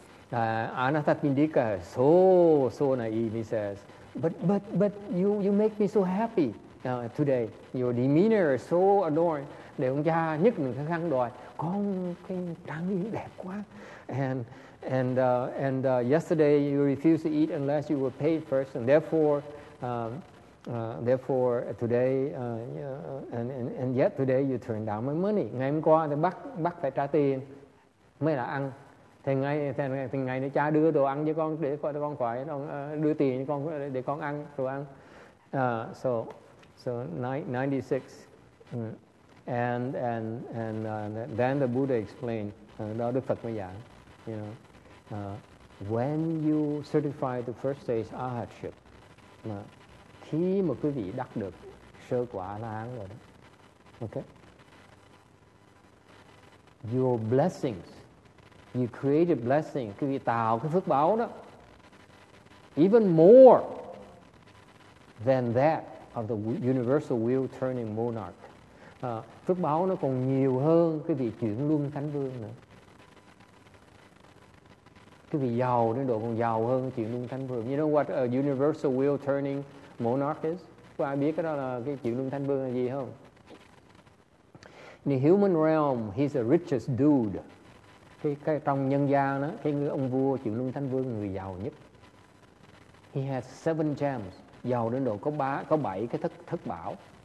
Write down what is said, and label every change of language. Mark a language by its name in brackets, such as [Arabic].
[English] Anathapindika is so naive. He says, but you make me so happy today. Your demeanor is so adorned. [Vietnamese] Để ông cha nhất mình khăn đòi con cái trang điểm đẹp quá. [English] And yesterday you refused to eat unless you were paid first. And therefore today and yet today you turned down my money. [Vietnamese] Ngày hôm qua thì bắt phải trả tiền mới là ăn. Thì ngày nữa cha đưa đồ ăn cho con để con khỏi, đưa tiền cho con để con ăn đồ ăn. [English] So 96. And then the Buddha explained, [Vietnamese] đó Đức Phật mới giảng, [English] when you certify the first stage arhatship, [Vietnamese] khi mà quý vị đắc được sơ quả la hán rồi đó, [English] okay, your blessings, you create a blessing, [Vietnamese] quý vị tạo cái phước báo đó, [English] even more than that of the universal wheel turning monarch. [Vietnamese] Phước báo nó còn nhiều hơn cái vị chuyển luân thánh vương nữa. Cái vị giàu đến độ còn giàu hơn chuyển luân thánh vương. [English] You know what a universal wheel turning monarch is? [Vietnamese] Có ai biết cái đó là cái chuyển luân thánh vương là gì không? [English] In the human realm, he's the richest dude. [Vietnamese] Cái trong nhân gian đó, cái ông vua chuyển luân thánh vương người giàu nhất. [English] He has 7 gems. [Vietnamese] Giàu đến độ có 7 cái thất bảo.